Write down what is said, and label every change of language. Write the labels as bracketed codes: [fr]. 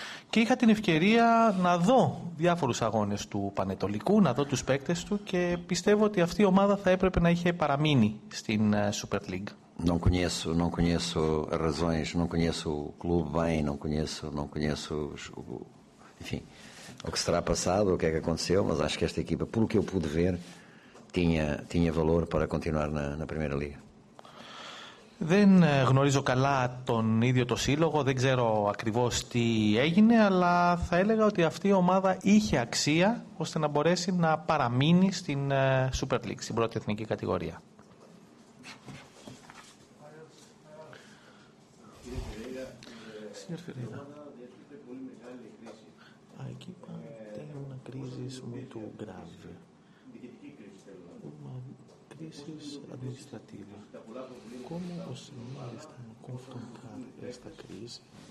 [el] Και είχα την ευκαιρία να δω διάφορους αγώνες του Πανετολικού, να δω τους παίκτες του και πιστεύω ότι αυτή η ομάδα θα έπρεπε να είχε παραμείνει στην Super League. [pt] Não conheço as razões, não conheço o clube bem, não conheço enfim, o que se terá passado, o que é que aconteceu, mas acho que esta equipa, pelo que eu pude ver, tinha valor para continuar na primeira liga. [el] Δεν γνωρίζω καλά τον ίδιο το σύλλογο, δεν ξέρω ακριβώς τι έγινε, αλλά θα έλεγα ότι αυτή η ομάδα είχε αξία ώστε να μπορέσει να παραμείνει στην Super League, στην πρώτη εθνική κατηγορία. [pt] Senhor Ferreira, a equipa tem uma crise muito grave. Uma crise administrativa. Como o senhor está a confrontar esta crise?